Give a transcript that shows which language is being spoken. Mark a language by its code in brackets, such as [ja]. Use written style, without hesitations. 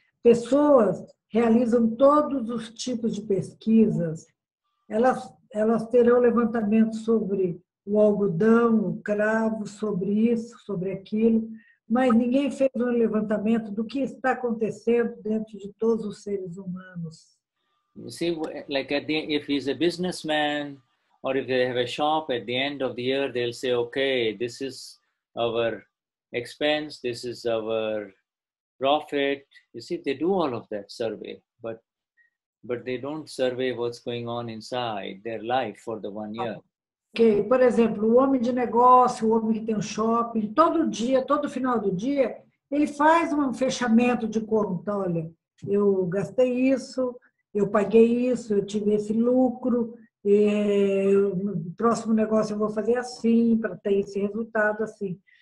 [pt] Pessoas realizam todos os tipos de pesquisas. Elas terão levantamento sobre o algodão, o cravo, sobre isso, sobre aquilo, mas ninguém fez um levantamento do que está acontecendo dentro de todos os seres humanos. [en] You see, like at the, if he's a businessman, or if they have a shop, at the end of the year, they'll say, okay, this is our expense, this is our profit. You see, they do all of that survey, but they don't survey what's going on inside their life for the 1 year. [pt] Okay, por exemplo, o homem de negócio, o homem que tem um shopping, todo dia, todo final do dia, ele faz um fechamento de conta. Olha, eu gastei isso, eu paguei isso, eu tive esse lucro. No próximo negócio eu vou fazer assim, para ter esse resultado assim.